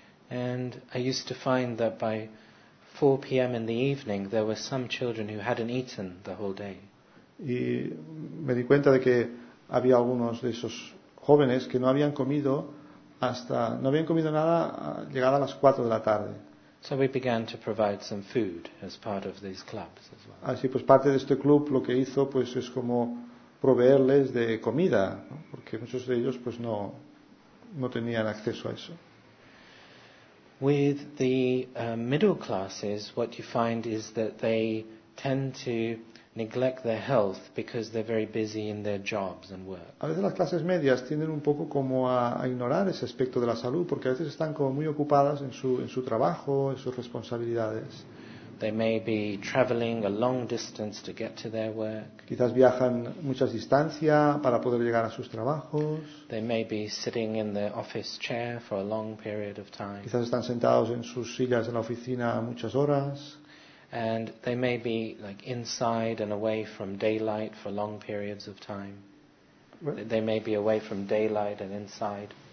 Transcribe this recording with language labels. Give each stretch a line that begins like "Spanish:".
English: And I used to find that by 4 p.m. in the evening there were some children who hadn't eaten the whole day.
Spanish: Y me di cuenta de que había algunos de esos jóvenes que no habían comido llegada a las 4 de la tarde.
English: So we began to provide some food as part of these clubs as well.
Spanish: Así pues, parte de este club lo que hizo pues es como proveerles de comida, ¿no? Porque muchos de ellos pues no tenían acceso a eso.
English: With the middle classes, what you find is that they tend to neglect their health because they're very busy in their jobs and work.
Spanish: A veces las clases medias tienden un poco como a ignorar ese aspecto de la salud porque a veces están como muy ocupadas en su trabajo, en sus responsabilidades.
English: They may be traveling a long distance to get to their work.
Spanish: Quizás viajan mucha distancia para poder llegar a sus trabajos.
English: They may be sitting in their office chair for a long period of time.
Spanish: Quizás están sentados en sus sillas en la oficina muchas horas.
English: And they may be like inside and away from daylight for long periods of time. They may be away from daylight and inside.